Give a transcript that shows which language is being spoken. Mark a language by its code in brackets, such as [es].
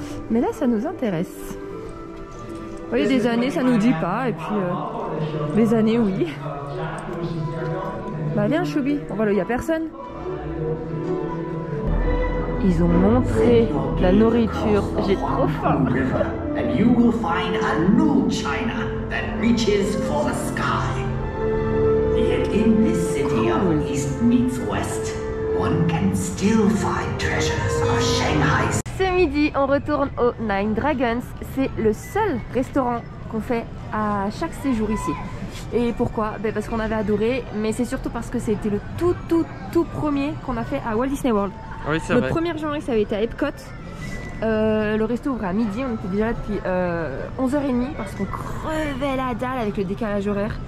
[fr] Mais là, ça nous intéresse. Oui, des années, ça nous dit pas. Et puis, des années, oui. Bah, viens, Shubi. On va là, il n'y a personne. Ils ont montré la nourriture, j'ai trop faim. [en] And you will find a new China that reaches for the sky. Yet in this city of East meets West, one can still find treasures of Shanghai. [fr] Ce midi, on retourne au Nine Dragons. C'est le seul restaurant qu'on fait à chaque séjour ici. Et pourquoi? Ben parce qu'on avait adoré, mais c'est surtout parce que c'était le tout premier qu'on a fait à Walt Disney World. Oui, c'est le vrai. 1er janvier, ça avait été à Epcot. Le resto ouvrait à midi, on était déjà là depuis 11h30 parce qu'on crevait la dalle avec le décalage horaire.